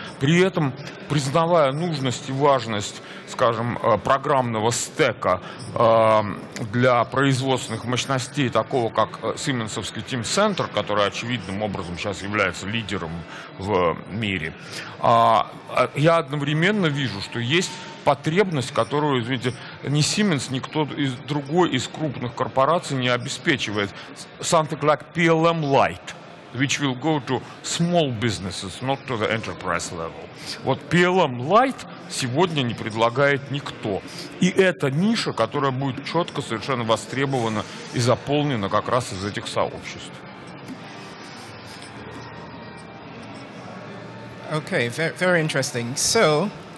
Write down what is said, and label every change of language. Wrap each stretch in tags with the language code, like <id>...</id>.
<ru>При этом, признавая нужность и важность, скажем, программного стека для производственных мощностей, такого как Siemens-овский Team Center, который очевидным образом сейчас является лидером в мире, я одновременно вижу, что есть потребность, которую, извините, ни Siemens, ни кто другой из крупных корпораций не обеспечивает.</ru> <en>Something like PLM Lite, which will go to small businesses, not to the enterprise level.</en> <ru>Вот PLM Lite сегодня не предлагает никто. И это ниша, которая будет четко совершенно востребована и заполнена как раз из этих сообществ.</ru> <en>Okay, very interesting. So...</en>